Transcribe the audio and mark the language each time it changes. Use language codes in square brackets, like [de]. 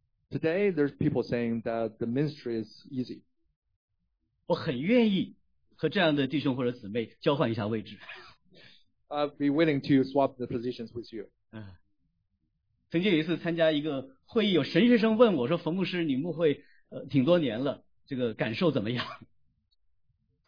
[en] Today, there's people saying that the ministry is easy. [zh] 我很愿意和这样的弟兄或者姊妹交换一下位置。 [en] I'd be willing to swap the positions with you. [zh] 曾经有一次参加一个会议，有神学生问我说：“冯牧师，你牧会挺多年了，这个感受怎么样？”